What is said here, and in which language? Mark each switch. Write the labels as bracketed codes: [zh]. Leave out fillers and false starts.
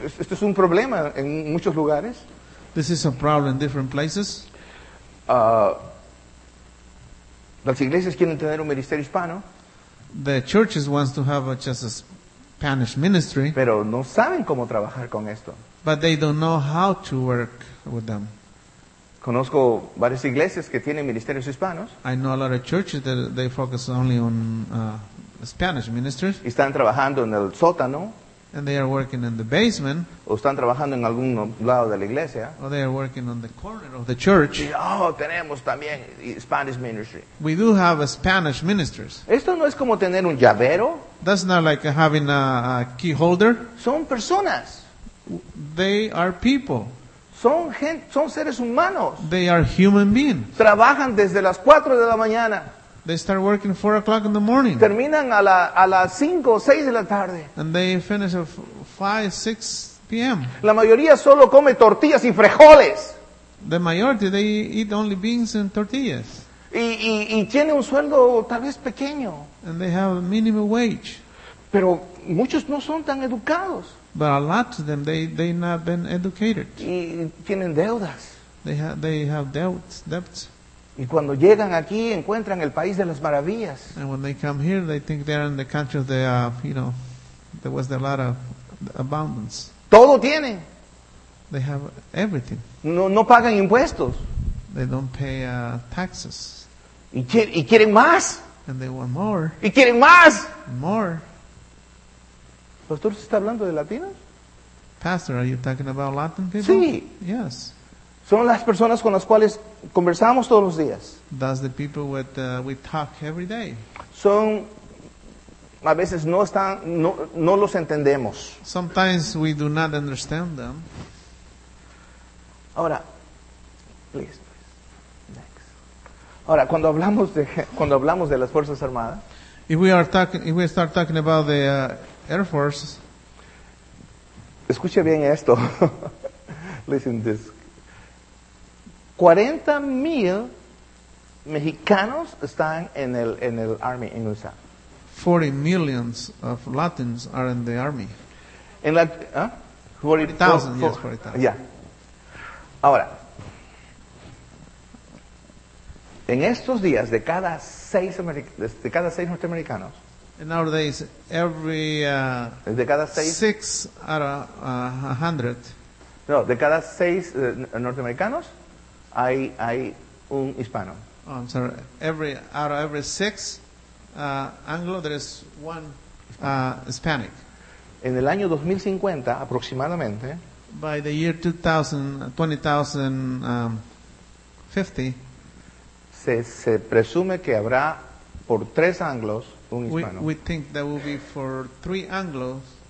[es] Esto es un problema en muchos lugares. [en] This is a problem in different places. [es] Las iglesias quieren tener un ministerio hispano. [en] The churches wants to have just a Spanish ministry. [es] Pero no saben cómo trabajar con esto. [en] But they don't know how to work with them. [es] Conozco varias iglesias que tienen ministerios hispanos. [en] I know a lot of churches that they focus only on Spanish ministries. [es] Y están trabajando en el sótano. [en] And they are working in the basement. [es] O están trabajando en algún lado de la iglesia. [en] Or they are working on the corner of the church. [es] Y, oh, tenemos también [en] Spanish ministry. We do have a Spanish ministers. [es] Esto no es como tener un llavero. [en] That's not like having a key holder. [es] Son personas. [en] They are people. [es] Son seres humanos. [en] They are human beings. [es] Trabajan desde las 4 de la mañana. [en] They start working 4 o'clock in the morning. [es] Terminan a las 5 o 6 de la tarde. [en] And they finish at 5, 6 p.m. [es] La mayoría solo come tortillas y frijoles. [en] The majority, they eat only beans and tortillas. [es] Y tiene un sueldo tal vez pequeño. [en] And they have a minimum wage. [es] Pero muchos no son tan educados. [en] But a lot of them, they not been educated. [es] Y tienen deudas. [en] They have debts. [es] Y cuando llegan aquí encuentran el país de las maravillas. [en] And when they come here, they think they're in the country of the, there was a lot of abundance. [es] Todo tienen. [en] They have everything. [es] No pagan impuestos. [en] They don't pay taxes. [es] Y quieren más. [en] And they want more. [es] Y quieren más. [en] More. [es] ¿Pastor, se está hablando de latinos? [en] Pastor, are you talking about Latin people? [es] Sí. [en] Yes. [es] Son las personas con las cuales conversamos todos los días. [en] That's the people with we talk every day. [es] Son, a veces no están, no los entendemos. [en] Sometimes we do not understand them. [es] Ahora, [en] please. Next. [es] Ahora, cuando hablamos de las Fuerzas Armadas. [en] If we start talking about the Air Force. [es] Escuche bien esto. [en] Listen to this. [es] 40,000 mexicanos están en el army en USA. [en] 40,000 of Latins are in the army. [es] En la 40,000, [en] yes, 40,000. Yeah. [es] Ahora, en estos días de cada 6 norteamericanos. [en] Nowadays, every [es] de cada 6 [en] 6 out of 100. [es] No, de cada 6 norteamericanos. Hay un hispano. [en] Oh, I'm sorry. Out of every 6 Anglo, there is one Hispanic. [es] En el año 2050, aproximadamente. [en] By the year 2050. [es] Se presume que habrá por 3 Anglos un hispano. [en] We think there will be for 3 Anglos.